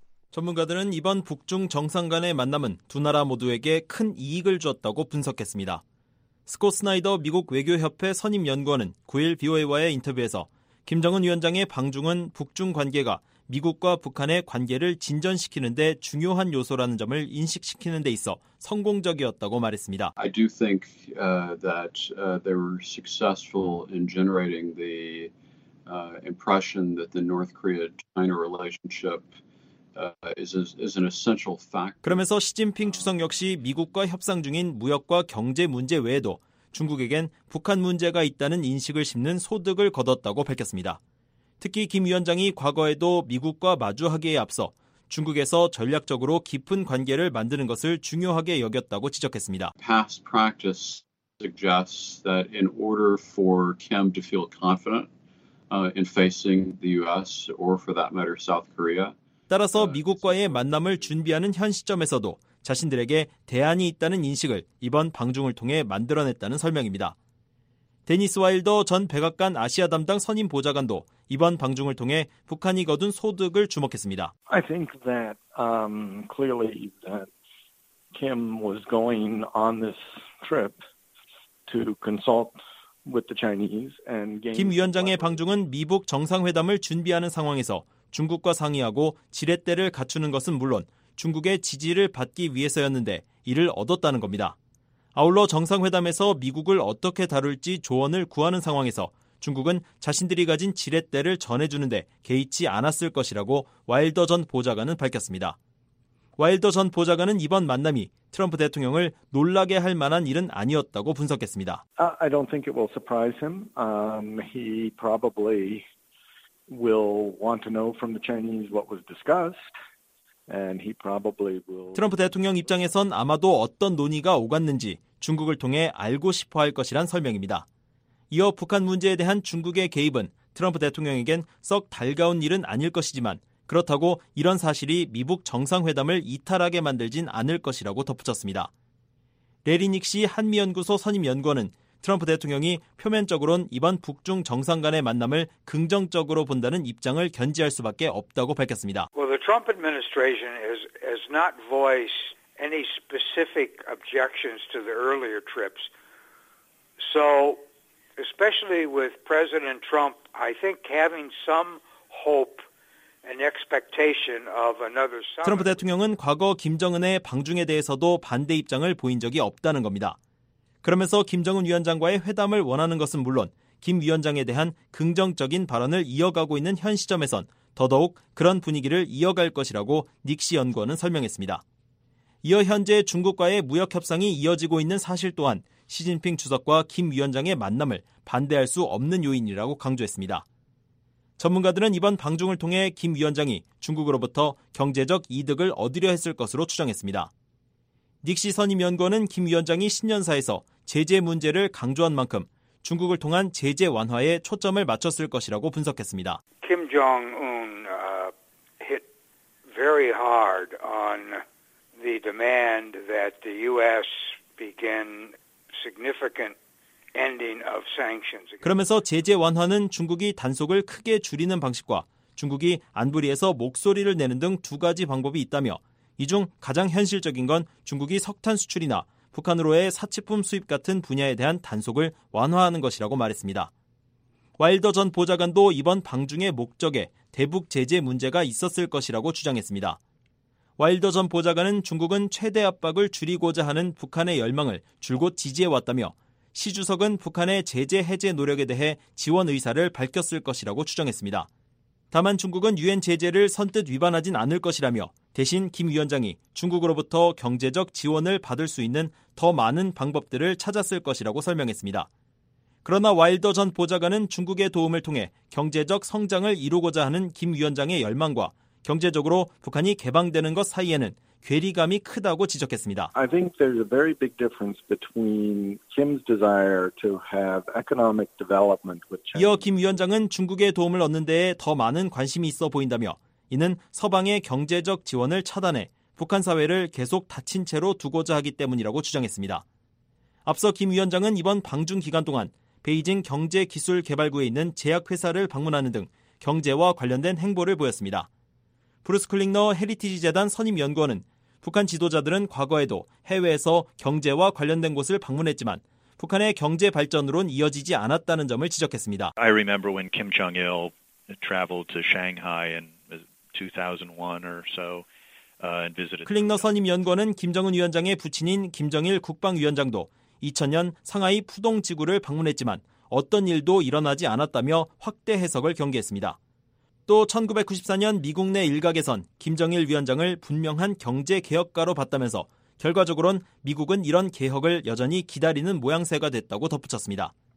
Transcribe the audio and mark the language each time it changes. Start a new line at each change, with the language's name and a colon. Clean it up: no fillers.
Korean: 전문가들은 이번 북중 정상 간의 만남은 두 나라 모두에게 큰 이익을 주었다고 분석했습니다. 스콧 스나이더 미국 외교협회 선임 연구원은 9일 VOA와의 인터뷰에서 김정은 위원장의 방중은 북중 관계가 미국과 북한의 관계를 진전시키는 데 중요한 요소라는 점을 인식시키는 데 있어 성공적이었다고 말했습니다.
English: I do think that they were successful in generating the impression that the North Korea-China relationship is an essential factor.
Korean: 그러면서 시진핑 주석 역시 미국과 협상 중인 무역과 경제 문제 외에도 중국에겐 북한 문제가 있다는 인식을 심는 소득을 거뒀다고 밝혔습니다. 특히 김 위원장이 과거에도 미국과 마주하기에 앞서 중국에서 전략적으로 깊은 관계를 만드는 것을 중요하게 여겼다고 지적했습니다.
English: Past practice suggests that in order for Kim to feel confident in facing the US or for that matter South Korea.
Korean: 따라서 미국과의 만남을 준비하는 현 시점에서도 자신들에게 대안이 있다는 인식을 이번 방중을 통해 만들어냈다는 설명입니다. 데니스 와일더 전 백악관 아시아 담당 선임 보좌관도 이번 방중을 통해 북한이 거둔 소득을 주목했습니다.
English: I think that clearly that Kim was going on this trip to consult with the Chinese and gain.
Korean: 김 위원장의 방중은 미북 정상회담을 준비하는 상황에서 중국과 상의하고 지렛대를 갖추는 것은 물론 중국의 지지를 받기 위해서였는데 이를 얻었다는 겁니다. 아울러 정상회담에서 미국을 어떻게 다룰지 조언을 구하는 상황에서 중국은 자신들이 가진 지렛대를 전해주는데 개의치 않았을 것이라고 와일더 전 보좌관은 밝혔습니다. 와일더 전 보좌관은 이번 만남이 트럼프 대통령을 놀라게 할 만한 일은 아니었다고 분석했습니다.
English: I don't think it will surprise him. He probably will want to know from the Chinese what was discussed. And he probably will.
Korean: 트럼프 대통령 입장에선 아마도 어떤 논의가 오갔는지 중국을 통해 알고 싶어 할 것이란 설명입니다. 이어 북한 문제에 대한 중국의 개입은 트럼프 대통령에겐 썩 달가운 일은 아닐 것이지만 그렇다고 이런 사실이 미북 정상회담을 이탈하게 만들진 않을 것이라고 덧붙였습니다. 레리 닉시 한미연구소 선임연구원은 트럼프 대통령이 표면적으로는 이번 북중 정상 간의 만남을 긍정적으로 본다는 입장을 견지할 수밖에 없다고 밝혔습니다.
English: Well, the Trump administration has not voiced any specific objections to the earlier trips. So, especially with President Trump, I think having some hope and expectation of another summit.
Korean: 트럼프 대통령은 과거 김정은의 방중에 대해서도 반대 입장을 보인 적이 없다는 겁니다. 그러면서 김정은 위원장과의 회담을 원하는 것은 물론 김 위원장에 대한 긍정적인 발언을 이어가고 있는 현 시점에선 더더욱 그런 분위기를 이어갈 것이라고 닉시 연구원은 설명했습니다. 이어 현재 중국과의 무역 협상이 이어지고 있는 사실 또한 시진핑 주석과 김 위원장의 만남을 반대할 수 없는 요인이라고 강조했습니다. 전문가들은 이번 방중을 통해 김 위원장이 중국으로부터 경제적 이득을 얻으려 했을 것으로 추정했습니다. 닉시 선임 연구원은 김 위원장이 신년사에서 제재 문제를 강조한 만큼 중국을 통한 제재 완화에 초점을 맞췄을 것이라고 분석했습니다.
English: Kim Jong-un hit very hard on the demand that the U.S. begin significant ending of sanctions.
Korean: 그러면서 제재 완화는 중국이 단속을 크게 줄이는 방식과 중국이 안보리에서 목소리를 내는 등 두 가지 방법이 있다며 이 중 가장 현실적인 건 중국이 석탄 수출이나 북한으로의 사치품 수입 같은 분야에 대한 단속을 완화하는 것이라고 말했습니다. 와일더 전 보좌관도 이번 방중의 목적에 대북 제재 문제가 있었을 것이라고 주장했습니다. 와일더 전 보좌관은 중국은 최대 압박을 줄이고자 하는 북한의 열망을 줄곧 지지해왔다며 시 주석은 북한의 제재 해제 노력에 대해 지원 의사를 밝혔을 것이라고 추정했습니다. 다만 중국은 유엔 제재를 선뜻 위반하진 않을 것이라며 대신 김 위원장이 중국으로부터 경제적 지원을 받을 수 있는 더 많은 방법들을 찾았을 것이라고 설명했습니다. 그러나 와일더 전 보좌관은 중국의 도움을 통해 경제적 성장을 이루고자 하는 김 위원장의 열망과 경제적으로 북한이 개방되는 것 사이에는 괴리감이 크다고 지적했습니다.
English: I think there's a very big difference between Kim's desire to have economic development with China.
Korean: 이어 김 위원장은 중국의 도움을 얻는 데에 더 많은 관심이 있어 보인다며 이는 서방의 경제적 지원을 차단해 북한 사회를 계속 닫힌 채로 두고자 하기 때문이라고 주장했습니다. 앞서 김 위원장은 이번 방중 기간 동안 베이징 경제기술개발구에 있는 제약회사를 방문하는 등 경제와 관련된 행보를 보였습니다. 브루스 클링너 헤리티지 재단 선임 연구원은 북한 지도자들은 과거에도 해외에서 경제와 관련된 곳을 방문했지만 북한의 경제 발전으론 이어지지 않았다는 점을 지적했습니다.
English: I remember when Kim Jong-il traveled to Shanghai in 2001 or so and visited.
Korean: 클링너 선임 연구원은 김정은 위원장의 부친인 김정일 국방위원장도 2000년 상하이 푸동지구를 방문했지만 어떤 일도 일어나지 않았다며 확대 해석을 경계했습니다. 또 1994년 미국 내 일각에선 김정일 위원장을 분명한 경제개혁가로 봤다면서 결과적으로는 미국은 이런 개혁을 여전히 기다리는 모양새가 됐다고 덧붙였습니다.